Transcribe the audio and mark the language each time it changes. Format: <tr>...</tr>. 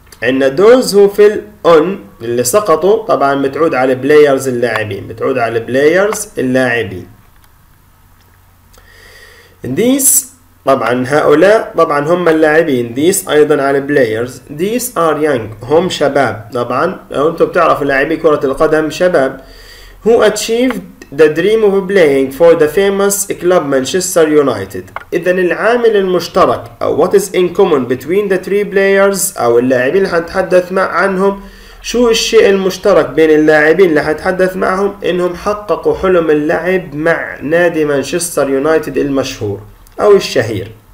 <ar>عندنا</ar> <en>those who fell on</en> <ar>اللي سقطوا، طبعا بتعود على players اللاعبين، بتعود على players اللاعبين.</ar> <en>These</en> <ar>طبعا هؤلاء طبعا هم اللاعبين.</ar> <en>These</en> <ar>أيضا</ar> <en>على players. These are young،</en> <ar>هم شباب. طبعا لو أنتم بتعرفوا لاعبي كرة القدم شباب.</ar> <en>Who achieved the dream of playing for the famous club Manchester United.</en> <ar>إذا العامل المشترك أو</ar> <en>what is in common between the three players</en> <ar>أو اللاعبين اللي هنتحدث مع عنهم، شو الشيء المشترك بين اللاعبين اللي هتحدث معهم؟ انهم حققوا حلم اللعب مع نادي مانشستر يونايتد المشهور او الشهير.</ar>